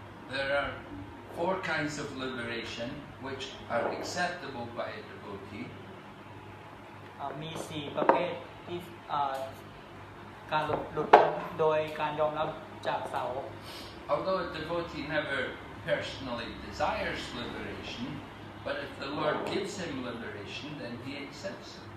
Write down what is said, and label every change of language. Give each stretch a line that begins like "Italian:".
English: There are four kinds of liberation which are acceptable by a devotee.
Thai: มี4ประเภทที่การหลุดพ้นโดยการยอมรับจากเสา
English: Although a devotee never personally desires liberation but if the Lord gives him liberation then he accepts